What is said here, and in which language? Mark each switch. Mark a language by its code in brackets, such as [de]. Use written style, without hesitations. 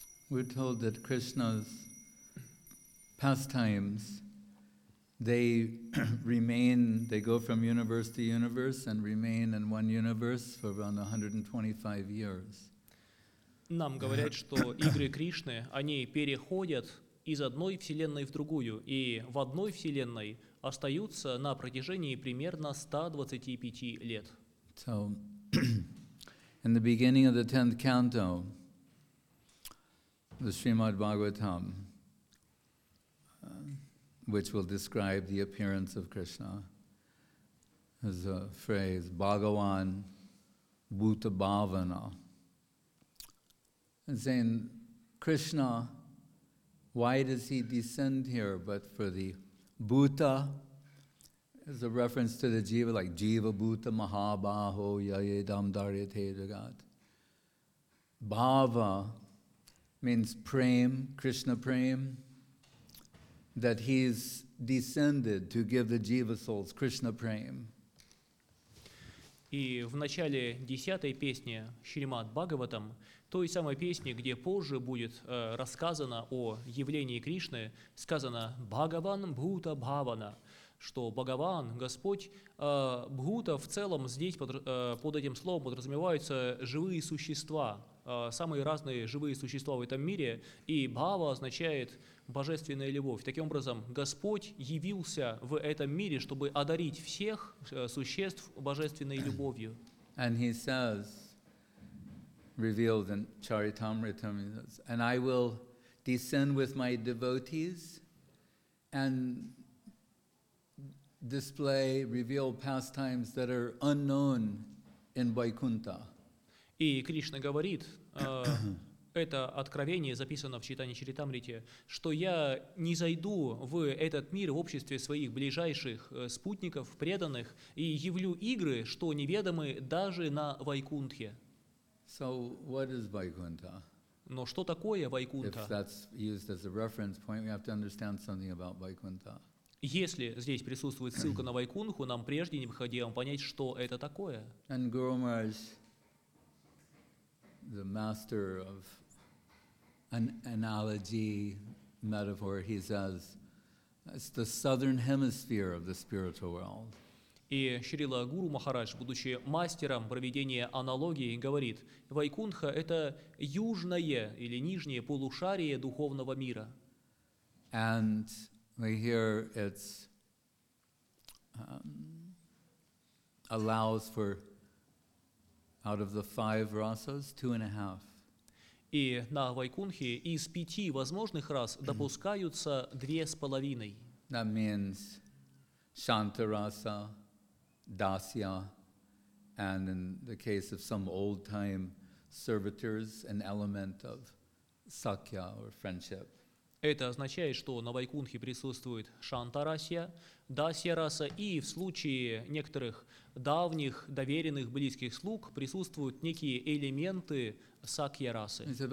[en] We're told that Krishna's pastimes, they remain, they go from universe to universe and remain in one universe for around 125 years. [ru] Нам говорят, что игры Кришны, они переходят из одной вселенной в другую, и в одной вселенной остаются на протяжении примерно 125 лет. [en] So, in the beginning of the 10th canto, the Srimad Bhagavatam, which will describe the appearance of Krishna, is a phrase, Bhagavan Bhuta Bhavana, and saying, Krishna, why does he descend here? But for the Bhuta, is a reference to the Jiva, like Jiva Bhuta Mahabaho Yaya Dam Daryate Jagat. Bhava means prem, Krishna prem, that he's descended to give the jiva souls Krishna prem. [ru] И в начале 10-й песни Шримад Бхагаватам, той самой песни, где позже будет рассказано о явлении Кришны, сказано «Бхагаван Бхута Бхавана», что Бхагаван, Господь, Бхута в целом здесь под этим словом подразумеваются живые существа, самые разные живые существа в этом мире, и Бхава означает «божественная любовь». Таким образом, Господь явился в этом мире, чтобы одарить всех существ божественной любовью. [en] And he says, revealed in Charitamrita, and I will descend with my devotees and display, reveal pastimes that are unknown in Vaikuntha. [ru] И Кришна говорит, это откровение записано в Чайтанья Чаритамрите, что я не зайду в этот мир в обществе своих ближайших спутников, преданных, и явлю игры, что неведомы даже на Вайкунтхе. [en] So what is Vaikuntha? [ru] Но что такое Вайкунтха? [en] If that's used as a reference point, we have to understand something about Vaikuntha. [ru] Если здесь присутствует ссылка на Вайкунтху, нам прежде необходимо понять, что это такое. [en] And Guru Maharaj, the master of an analogy, metaphor, he says, it's the southern hemisphere of the spiritual world. [ru] И Шрила Гуру Махарадж, будучи мастером проведения аналогии, говорит, Вайкунтха — это южное или нижнее полушарие духовного мира. [en] And we hear it's allows for out of the five rasas, two and a half. [ru] И на Вайкунтхе из пяти возможных рас допускаются две с половиной. [en] That means Shantarasa, Dasya, and in the case of some old-time servitors, an element of Sakya or friendship. [ru] Это означает, что на Вайкунтхе присутствует Шантарасия, Дасья-раса, и в случае некоторых давних, доверенных, близких слуг присутствуют некие элементы Сакья-расы.